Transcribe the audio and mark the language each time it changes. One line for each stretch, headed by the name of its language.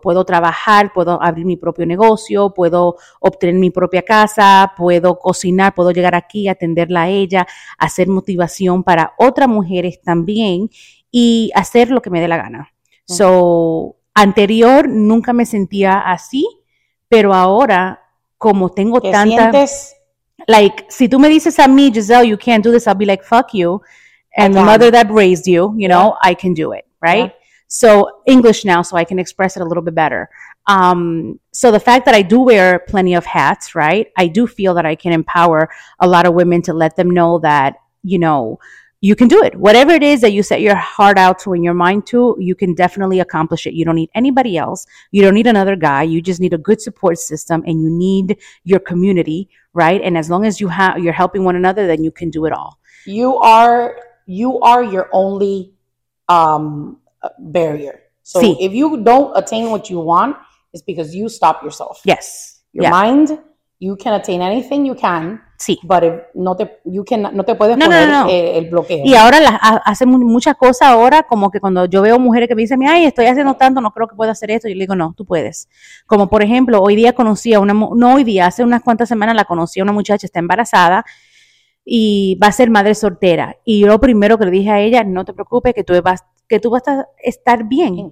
Spanish: Puedo trabajar, puedo abrir mi propio negocio, puedo obtener mi propia casa, puedo cocinar, puedo llegar aquí, atenderla a ella, hacer motivación para otras mujeres también, y hacer lo que me dé la gana. Uh-huh. So, anterior nunca me sentía así, pero ahora, como tengo tanta. ¿Sientes?
English: Like,
Spanish: si tú me dices a mí,
English: Giselle, you can't do this, I'll be like, fuck you. And the mother that raised you, you know, I can do it, right? Yeah. So English now, so I can express it a little bit better. So the fact that I do wear plenty of hats, right? I do feel that I can empower a lot of women to let them know that, you know, you can do it. Whatever it is that you set your heart out to and your mind to, you can definitely accomplish it. You don't need anybody else. You don't need another guy. You just need a good support system and you need your community, right? And as long as you have, you're helping one another, then you can do it all. You are your only barrier. So see, if you don't attain what you want, it's because you stop yourself. Yes. Your mind, you can attain anything you can.
Spanish: Sí.
English: But if
Spanish: no te,
English: you can,
Spanish: no te puedes poner el bloqueo. Y ahora hacen muchas cosas ahora, como que cuando yo veo mujeres que me dicen, ay, estoy haciendo tanto, no creo que pueda hacer esto. Y yo le digo, no, tú puedes. Como por ejemplo, hoy día conocí a una, no hoy día, hace unas cuantas semanas la conocí a una muchacha, está embarazada. Y va a ser madre soltera. Y yo lo primero que le dije a ella, no te preocupes, que tú vas a estar bien.